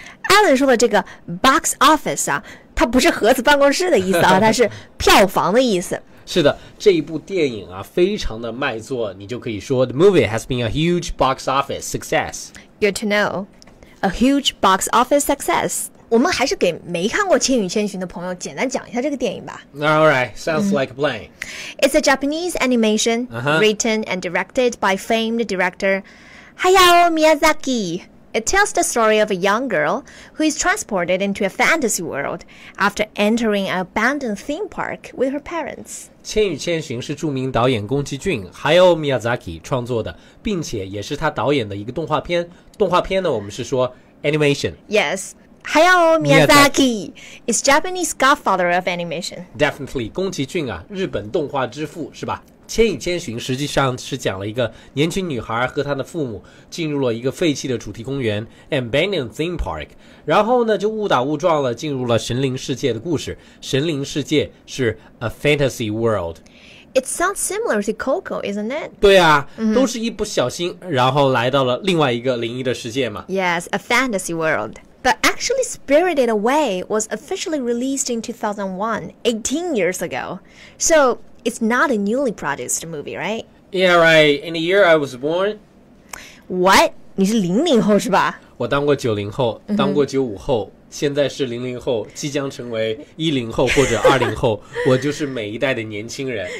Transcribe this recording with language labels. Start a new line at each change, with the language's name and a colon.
Chinese: Alan 说的这个 box office 啊，它不是盒子办公室的意思啊，它是票房的意思。是的，这一部电影啊，非常的卖座，你就可以说
English: The movie has been a huge box office success. Good to know. A huge box office success.
Chinese: 我们还是给没看过《千与千寻》的朋友简单讲一下这个电影吧。
English: All right, sounds like a plan. It's a Japanese animation written and directed by famed director Hayao Miyazaki. It tells the story of a young girl who is transported into a fantasy world after entering an abandoned theme park with her parents.
Chinese: 千与千寻是著名导演宫崎骏 Hayao Miyazaki 创作的，并且也是他导演的一个动画片。动画片呢，我们是说 animation.
English: Yes. Hayao Miyazaki is Japanese godfather of animation. Definitely,
Chinese: 宫崎骏啊，日本动画之父是吧？千与千寻实际上是讲了一个年轻女孩和她的父母进入了一个废弃的主题公园 abandoned theme park， 然后呢就误打误撞了进入了神灵世界的故事。神灵世界是 a fantasy world。
English: It sounds similar to Coco, isn't it?
Chinese: 对啊、都是一不小心，然后来到了另外一个灵异的世界嘛。
English: Yes, a fantasy world. But actually, Spirited Away was officially released in 2001, 18 years ago. So it's not a newly produced movie, right? Yeah, right. In the year I was born.
Chinese: What? 你是零零后是吧？我当过九零后，当过九五后，现在是零零后，即将成为一零后或者二零后。我就是每一代的年轻人。